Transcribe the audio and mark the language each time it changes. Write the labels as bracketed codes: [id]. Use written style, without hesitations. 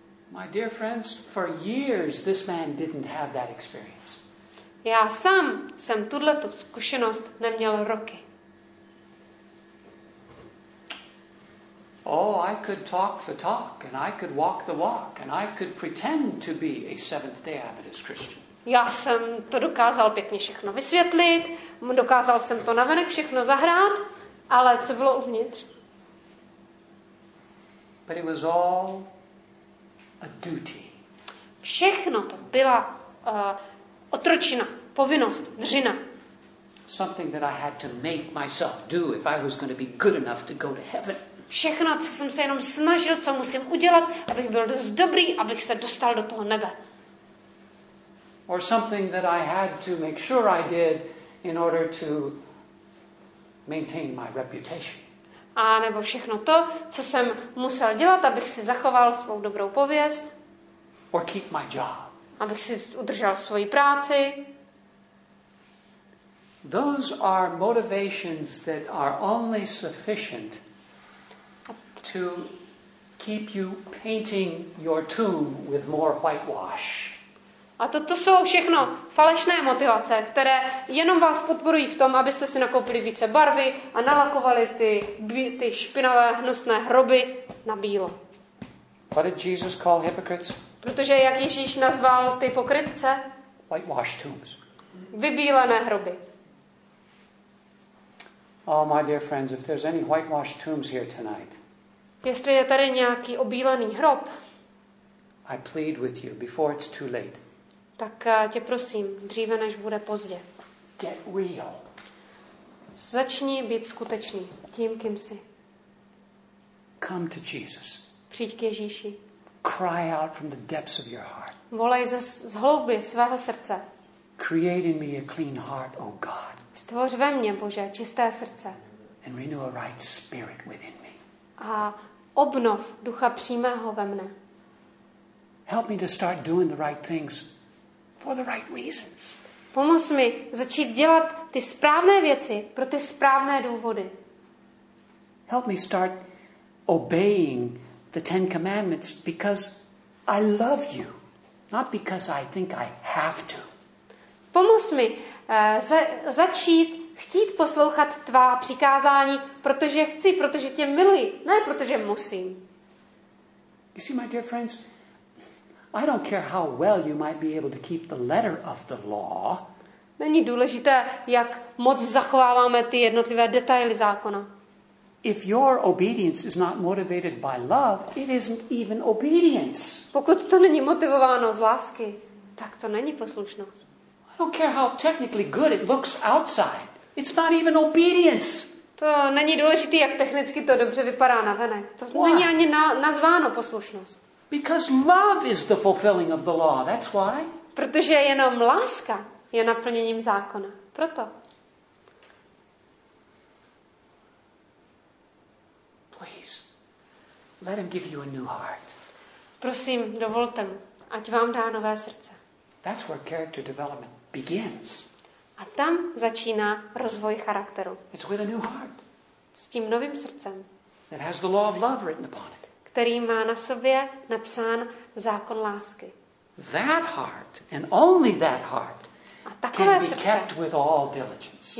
[en] My dear friends, for years this man didn't have that experience. [cs] Já sám jsem tuto zkušenost neměl roky. [en] Oh, I could talk the talk and I could walk the walk and I could pretend to be a Seventh-day Adventist Christian. [cs] Já jsem to dokázal pěkně všechno vysvětlit, dokázal jsem to navenek všechno zahrát, ale co bylo uvnitř? [en] But it was all a duty. [cs] Všechno to byla otročina, povinnost, dřina. [en] Something that I had to make myself do if I was going to be good enough to go to heaven. [cs] Všechno, co jsem se jenom snažil, co musím udělat, abych byl dost dobrý, abych se dostal do toho nebe. [en] Or something that I had to make sure I did in order to maintain my reputation. [cs] A nebo všechno to, co jsem musel dělat, abych si zachoval svou dobrou pověst. [en] Or keep my job. [cs] Abych si udržel svoji práci. [en] Those are motivations that are only sufficient to keep you painting your tomb with more whitewash. [cs] A to jsou všechno falešné motivace, které jenom vás podporují v tom, abyste si nakoupili více barvy a nalakovali ty špinavé hnusné hroby na bílo. [en] What did Jesus call hypocrites? [cs] Protože jak Ježíš nazval ty pokrytce? [en] Whitewashed tombs. [cs] Vybílené hroby. [en] Oh, my dear friends, if there's any whitewashed tombs here tonight. [cs] Jestli je tady nějaký obílený hrob. [en] I plead with you before it's too late. [cs] Tak tě prosím, dříve než bude pozdě. [en] Get real. [cs] Začni být skutečný tím, kým jsi. [en] Come to Jesus. [cs] Přijď k Ježíši. [en] Cry out from the depths of your heart. [cs] Volej z hloubi svého srdce. [en] Create in me a clean heart, O God. [cs] Stvoř ve mně, Bože, čisté srdce. [en] And renew a right spirit within me. [cs] A obnov ducha přímého ve mne. [en] Help me to start doing the right things for the right reasons. [cs] Pomoz mi začít dělat ty správné věci pro ty správné důvody. [en] Help me start obeying the Ten Commandments because I love you, not because I think I have to. [cs] Pomoz mi začít chtít poslouchat tvá přikázání, protože chci, protože tě miluji, ne protože musím. [en] You see, my dear friends, I don't care how well you might be able to keep the letter of the law. [cs] Není důležité, jak moc zachováváme ty jednotlivé detaily zákona. [en] If your obedience is not motivated by love, it isn't even obedience. [cs] Pokud to není motivováno z lásky, tak to není poslušnost. [en] I don't care how technically good it looks outside. It's not even obedience. [cs] To není důležité, jak technicky to dobře vypadá navenek. To [en] why? [cs] Není ani nazváno poslušnost. [en] Because love is the fulfilling of the law. That's why. [cs] Protože jenom láska je naplněním zákona. Proto. [en] Please. Let him give you a new heart. [cs] Prosím, dovolte mu, ať vám dá nové srdce. [en] That's where character development begins. [cs] A tam začíná rozvoj charakteru. [en] It's with a new heart. [cs] S tím novým srdcem. [en] It has the law of love written upon it. [cs] Který má na sobě napsán zákon lásky. [en] That heart and only that heart. [cs] A takové srdce. [en] Can be kept with all diligence.